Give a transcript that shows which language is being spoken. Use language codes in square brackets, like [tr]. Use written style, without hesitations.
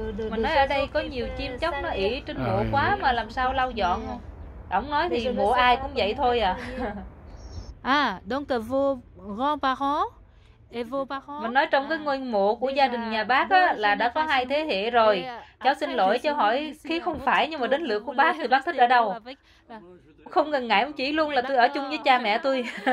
[vi] Mình nói ở đây có nhiều chim chóc nó ỉ trên mộ quá mà làm sao lau dọn. Ông nói thì mộ ai cũng vậy thôi à. [fr] À, donc vos grands-parents et vos parents. [vi] Mình nói trong cái ngôi mộ của gia đình nhà bác á, là đã có hai thế hệ rồi. Cháu xin lỗi cho hỏi khi không phải, nhưng mà đến lượt của bác thì bác thích ở đâu? Không ngần ngại ông chỉ luôn là tôi ở chung với cha mẹ tôi.